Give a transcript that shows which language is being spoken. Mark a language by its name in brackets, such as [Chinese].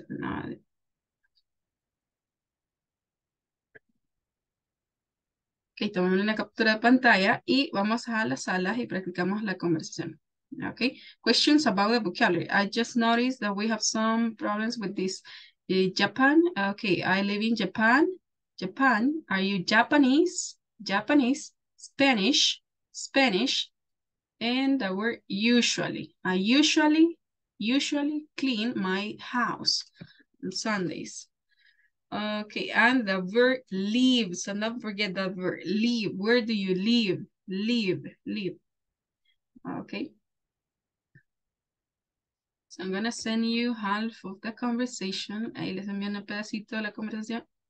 [Spanish] Okay, tomamos una captura de pantalla y vamos a las salas y practicamos la conversación. [English] Okay, questions about the vocabulary. I just noticed that we have some problems with this. Japan, okay, I live in Japan. Japan, are you Japanese? Japanese, Spanish. And the word usually. I usually clean my house on Sundays. Okay, and the verb live. So don't forget that verb live. Where do you live? Live. Okay. So I'm gonna send you half of the conversation. [Spanish] Ahí les envío un pedacito de la conversación.